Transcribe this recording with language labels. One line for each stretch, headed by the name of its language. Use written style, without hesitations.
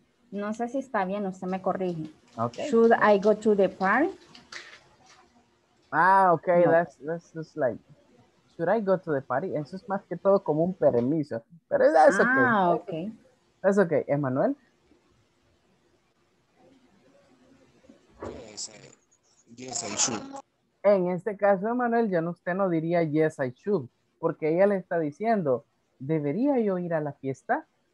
Spanish: No sé si está bien, usted me corrige.
English: Okay. Should I go to the park? Okay, no. That's just like, should I go to the party?
Spanish: Eso es más que todo como un permiso. Pero
English: that's okay. Okay. That's okay. Emmanuel? Yes, I should.
Spanish: En este caso, Emmanuel, ya no, usted no diría
English: yes, I should,
Spanish: porque ella le está diciendo, ¿debería yo ir a la fiesta?